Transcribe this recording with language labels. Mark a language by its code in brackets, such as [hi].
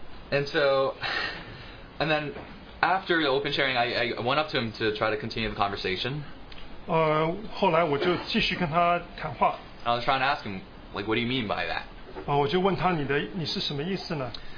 [en] And so, and then after the open sharing, I went up to him to try to continue the conversation. [zh] 后来我就继续跟他谈话。 [en] I was trying to ask him, like, what do you mean by that? [zh] 我就问他你是什么意思呢？